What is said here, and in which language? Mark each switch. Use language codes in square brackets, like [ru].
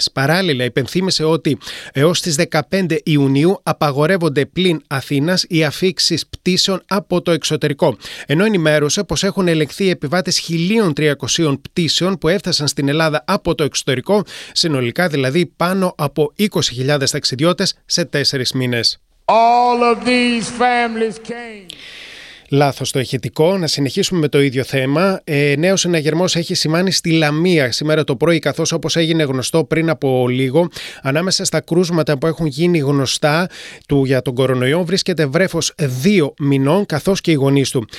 [el] Παράλληλα, υπενθύμησε ότι έως τις 15 Ιουνίου απαγορεύονται πλην Αθήνας οι αφήξεις πτήσεων από το εξωτερικό. Ενώ ενημέρωσε πως έχουν ελεγχθεί επιβάτες 1.300 πτήσεων που έφτασαν στην Ελλάδα από το εξωτερικό, συνολικά δηλαδή πάνω από 20.000 ταξιδιώτες σε 4 μήνες. [en] All of these families came. [el] Λάθος το ηχητικό. Να συνεχίσουμε με το ίδιο θέμα. Νέος συναγερμός έχει σημάνει στη Λαμία σήμερα το πρωί, καθώς όπως έγινε γνωστό πριν από λίγο, ανάμεσα στα κρούσματα που έχουν γίνει γνωστά του για τον κορονοϊό βρίσκεται βρέφος 2 μηνών, καθώς και οι γονείς του.